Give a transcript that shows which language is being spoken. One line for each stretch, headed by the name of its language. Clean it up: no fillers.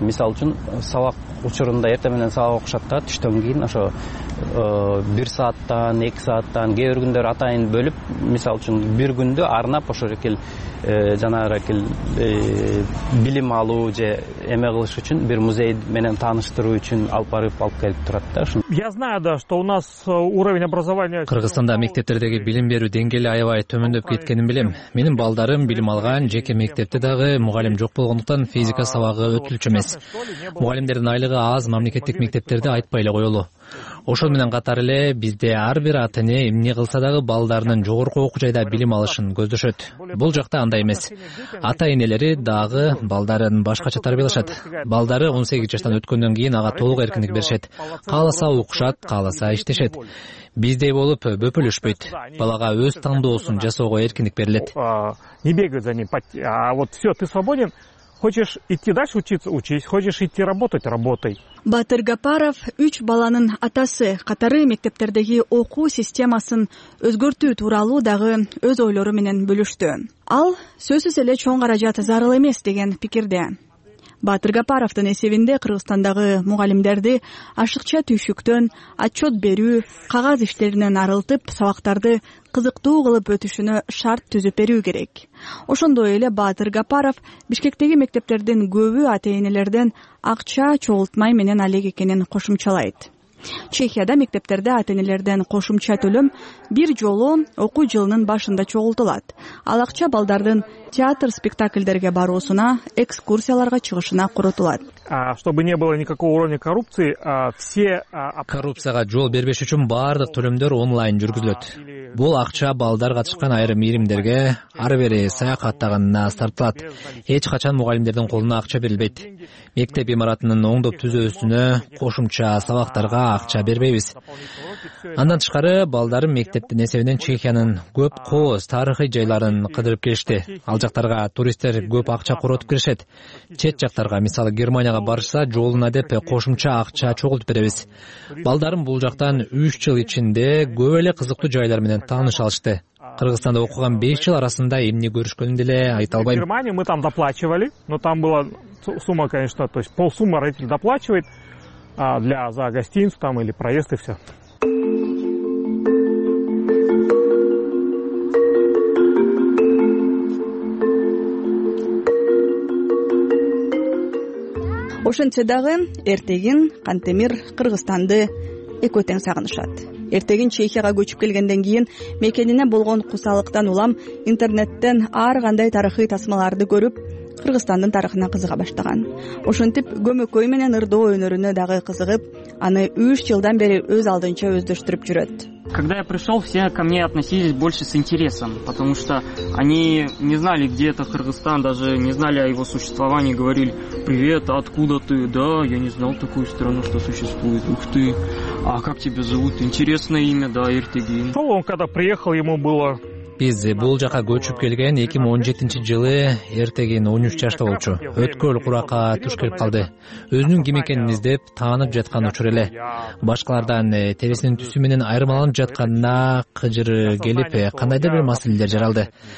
Kyrgyz: Мисалы үчүн сабак учурунда эртең менен сабак окушат да, түштөн кийин ошо 1 сааттан, 2 сааттан кээ бир күндөр атайын бөлүп, мисалы үчүн бир күндү арнап ошол билим алуу же эме кылыш үчүн бир музей менен тааныштыруу үчүн алып барып келип турат да.
Russian: Я знаю да, что у нас уровень образования.
Kyrgyz: Кыргызстанда мектептердеги билим берүү деңгээли аябай төмөндөп кеткенин билем. Менин балдарым билим алган, жеке мектепте дагы мугалим жок болгондуктан физика сабагы өтүлчү эмес. Мугалимдердин айлыгы аз мамлекеттик мектептерде айтпай эле коелу. Ошол менен катар эле бизде ар бир ата-эне эмне кылса дагы балдарынын жогорку окуу жайда билим алышын көздөшөт. Бул жакта андай эмес. Ата-энелери дагы балдарын башкача тарбиялашат. Балдары 18 жаштан өткөндөн кийин ага толук эркиндик беришет. Кааласа окушат, кааласа иштешет. Биздей болуп бөпөлөшпөйт. Балага өз таңдоосун жасоого эркиндик берилет.
Russian: Не бегают за ним. А вот все, ты свободен. Хочешь идти дальше учиться – учись. Хочешь идти работать – работай.
Kyrgyz: Батыр Гапаров үч баланын атасы, катары мектептердеги окуу системасын өзгөртүү тууралуу дагы өз ойлору менен бөлүштү. Ал сөзсүз эле чоң каражат зарыл эмес деген пикирде. Батыр Гапаровдун эсебинде Кыргызстандагы мугалимдерди ашыкча түйшүктөн отчет берүү, кагаз иштеринен арылтып, сабактарды кызыктуу кылып өтүшүнө шарт түзүп берүү керек. Ошондой эле Батыр Гапаров Бишкектеги мектептердин көбү ата-энелерден акча чогултмай менен алек экенин кошумчалайт. Чехияда мектептерде ата-энелерден кошумча төлөм бир жолу окуу жылынын башында чогултулат. Ал акча балдардын театр спектакльдерге баруусуна, экскурсияларга чыгышына курутулат.
Russian: Чтобы не было никакого уровня коррупции, все
Kyrgyz: коррупцияга жол бербеш үчүн баардык төлөмдөр онлайн жүргүзүлөт. Бул акча балдар катышкан айрым иримдерге ар бири саякаттаганына сарптылат. Эч качан мугалимдердин колуна акча берилбейт. Мектеп имаратынын оңдоп түзөөсүнө кошумча сабактарга акча бербейбиз. Андан тышкары балдарым мектептин эсебинен Чехиянын көп кооз тарыхый жайларын кыдырып келишти. Ал жактарга туристтер көп акча коротуп киришет. Чет жактарга, мисалы Германияга барышса, жолуна деп кошумча акча чогултуп беребиз. Балдарым бул жактан 3 жыл ичинде көп эле кызыктуу жайлар менен тааныша алышты. Кыргызстанда окуган 5 жыл арасында эмне көрүшкөнүн деле айта албайм.
Russian: Германия мы там доплачивали, но там была сумма, конечно, то есть полсумма родитель доплачивает для за гостиницу там или проезд и всё.
Kyrgyz: Ошентсе дагы эртегин Кантемир Кыргызстанды эки тең сагынышат. Эртегин Чехияга көчүп келгенден кийин мекенине болгон кусалыктан улам интернеттен ар кандай тарыхый тасмаларды көрүп Кыргызстандын тарыхына кызыга баштаган. Ошентип көмөкөй менен ырдоо өнөрүнө дагы кызыгып, аны 3 жылдан бери өз алдынча өздөштүрүп жүрөт.
Russian: Когда я пришел, все ко мне относились больше с интересом, потому что они не знали, где это Кыргызстан, даже не знали о его существовании, говорили: «Привет, откуда ты?» «Да, я не знал такую страну, что существует, ух ты! А как тебя зовут? Интересное имя, да, Эртегин». Он когда приехал, ему было...
Kyrgyz: Биз бул жака көчүп келген 2017 жылы Эртегин 13 жашта болчу. Өткөл куракка туш келип калды. Өзүнүн ким экенин издеп таанып жаткан учур эле. Башкалардан терисинин түсү менен айырмаланып жатканына кыжыры келип, кандайдыр бир маселелер жаралды.